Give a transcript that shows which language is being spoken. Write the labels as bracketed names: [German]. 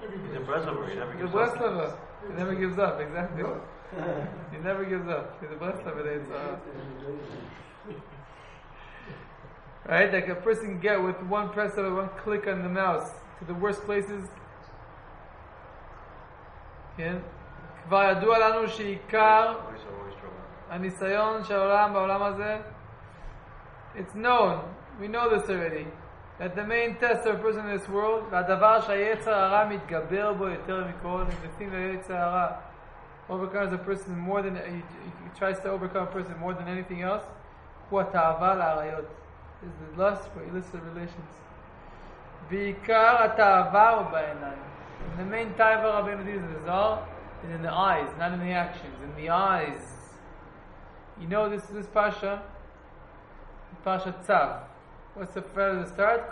[English] He's a Breslover, he never gives up. He never gives up, exactly. He never gives up. He's a Breslover, the Yetzer Hara. Right? Like a person can get with one press of it, one click on the mouse to the worst places. [Hebrew] כבר ידוע לנו שעיקר הניסיון של העולם בעולם הזה. [English] It's known, we know this already, that the main test of a person in this world, [Hebrew] והדבר שהיצר הרע מתגבר בו יותר מכל, [English] and the thing that היצר הרע overcomes a person more than, he tries to overcome a person more than anything else, [Hebrew] הוא התאווה לעריות. [English] It's the lust for illicit relations. [Hebrew] ועיקר התאווה הוא בעיניים. [English] And the main type of Rabbeinu Dizan is all is in the eyes, not in the actions, in the eyes. You know this Pasha? Pasha Tzav. What's the first of the start?